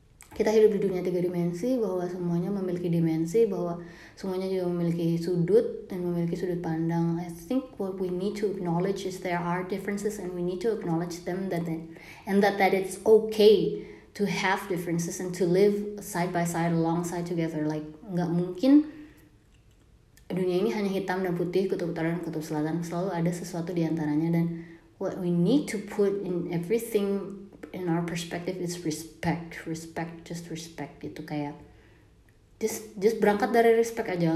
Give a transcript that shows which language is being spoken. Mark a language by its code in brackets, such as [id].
[id] Kita hidup di dunia 3 dimensi, bahwa semuanya memiliki dimensi, bahwa semuanya juga memiliki sudut dan memiliki sudut pandang. [en] I think what we need to acknowledge is there are differences and we need to acknowledge them, that it's okay to have differences and to live side by side alongside together. [id] Like nggak mungkin dunia ini hanya hitam dan putih, kutub utara dan kutub selatan, selalu ada sesuatu di antaranya. [en] Dan what we need to put in everything in our perspective is respect, just respect gitu. Kayak [id] Just berangkat dari respect aja.